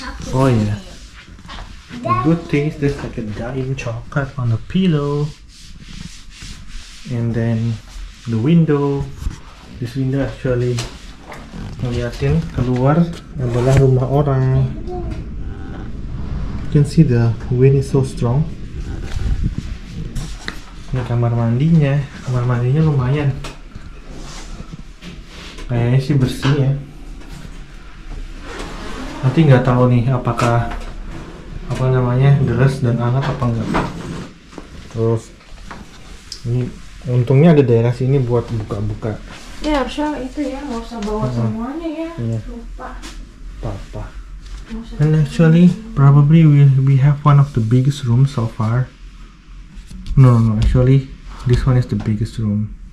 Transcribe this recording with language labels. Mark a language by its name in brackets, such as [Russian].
[Indonesian] Oh iya, [English] the good thing is there's like a dying chocolate on the pillow. And then the window. This window actually [Indonesian] ngeliatin keluar adalah rumah orang. [English] You can see the wind is so strong. [Indonesian] Ini kamar mandinya lumayan. Kayaknya sih bersih ya. Nanti nggak tahu nih apakah apa namanya deras dan hangat apa enggak. Terus ini untungnya ada daerah sini buat buka-buka. Ya harusnya itu ya, nggak usah bawa semuanya ya. Iya. Lupa. Papa. [English] And actually, probably we have one of the biggest room so far. No, actually, this one is the biggest room.